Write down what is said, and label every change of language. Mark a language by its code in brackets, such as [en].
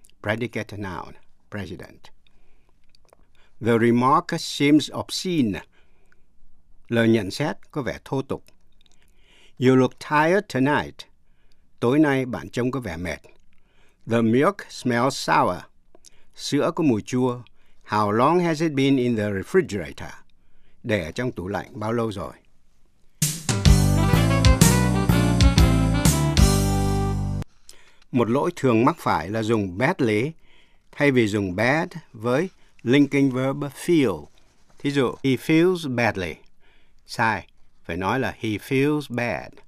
[en] Predicate noun, president. The remark seems obscene. [vi] Lời nhận xét có vẻ thô tục. [en] You look tired tonight. [vi] Tối nay bạn trông có vẻ mệt. [en] The milk smells sour. [vi] Sữa có mùi chua. [en] How long has it been in the refrigerator? [vi] Để trong tủ lạnh bao lâu rồi? Một lỗi thường mắc phải là dùng badly thay vì dùng bad với linking verb feel. Thí dụ, [en] he feels badly. [vi] Sai, phải nói là [en] he feels bad.